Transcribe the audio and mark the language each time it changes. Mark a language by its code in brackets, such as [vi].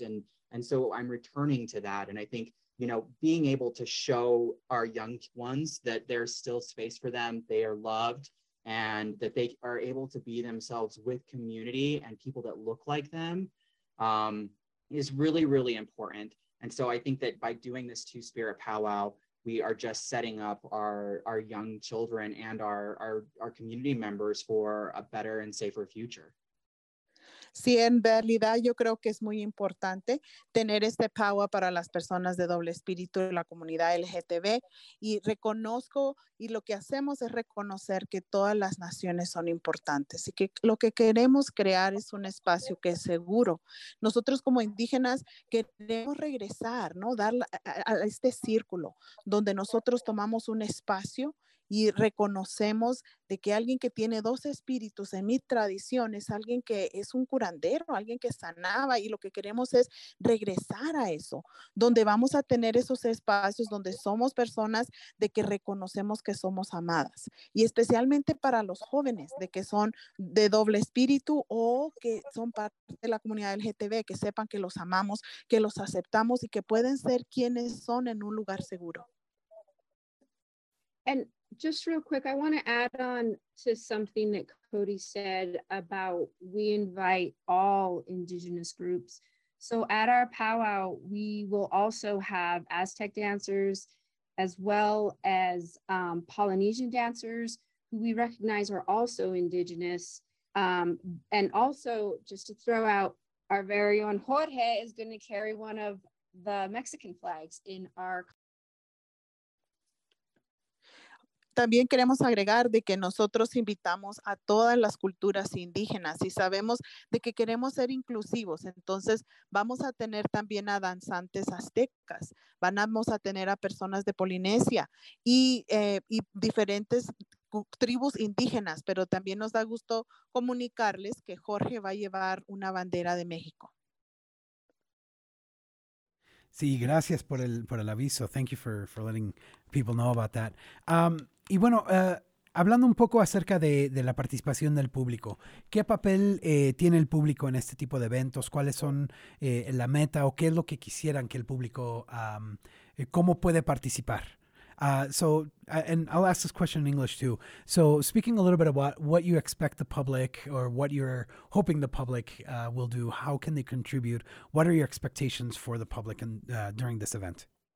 [en] And so I'm returning to that. And I think, you know, being able to show our young ones that there's still space for them, they are loved, and that they are able to be themselves with community and people that look like them is really, really important. And so I think that by doing this Two-Spirit powwow, we are just setting up our young children and our community members for a better and safer future. [es] Sí, en realidad yo creo que es muy importante tener este powwow para las personas de doble espíritu y la comunidad LGTB. Y reconozco, y lo que hacemos es reconocer que todas las naciones son importantes y que lo que queremos crear es un espacio que es seguro. Nosotros como indígenas queremos regresar, ¿no? Dar a este círculo donde nosotros tomamos un espacio y reconocemos de que alguien que tiene dos espíritus en mi tradición es alguien que es un curandero, alguien que sanaba, y lo que queremos es regresar a eso, donde vamos a tener esos espacios donde somos personas de que reconocemos que somos amadas, y especialmente para los jóvenes de que son de doble espíritu o que son parte de la comunidad LGTB, que sepan que los amamos, que los aceptamos y que pueden ser quienes son en un lugar seguro. [en] And Just real quick, I want to add on to something that Cody said about we invite all Indigenous groups. So at our powwow, we will also have Aztec dancers, as well as Polynesian dancers who we recognize are also Indigenous. And also, just to throw out, our very own Jorge is going to carry one of the Mexican flags in our. [es] También queremos agregar de que nosotros invitamos a todas las culturas indígenas y sabemos de que queremos ser inclusivos. Entonces vamos a tener también a danzantes aztecas, vamos a tener a personas de Polinesia y diferentes tribus indígenas, pero también nos da gusto comunicarles que Jorge va a llevar una bandera de México. Sí, gracias por el aviso. [en] Thank you for letting people know about that. [es] Y bueno, hablando un poco acerca de la participación del público, ¿qué papel tiene el público en este tipo de eventos? ¿Cuáles son la meta o qué es lo que quisieran que el público, cómo puede participar? [en] And I'll ask this question in English too. So speaking a little bit about what you expect the public or what you're hoping the public will do, how can they contribute? What are your expectations for the public during this event?